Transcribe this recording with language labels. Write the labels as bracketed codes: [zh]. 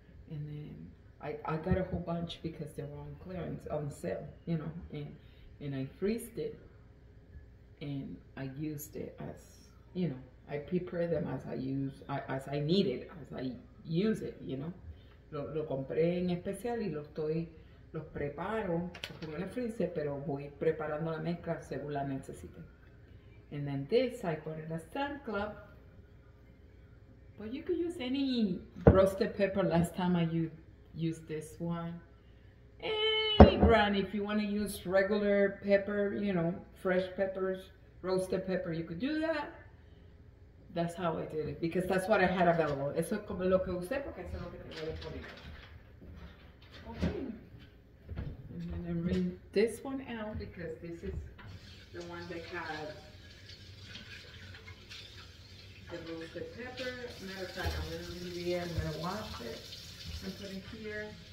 [en] And then I got a whole bunch because they were on clearance, on sale, you know. And I freezed it and I used it as, you know, I prepared them as I use it, you know. [es] Lo compré en especial y los preparo, los pongo en el freezer, pero voy preparando la mezcla según la necesite. [en] And then this I put in a stand club. But you could use any roasted pepper. Last time I used this one. Any brand, if you want to use regular pepper, you know, fresh peppers, roasted pepper, you could do that. That's how I did it, because that's what I had available. [es] Eso es como lo que usé, porque eso es lo que tengo disponible. [en] Okay. And then I bring this one out, because this is the one that had the roasted pepper. Matter of fact, I'm going to leave it here. I'm going to wash it and put it here.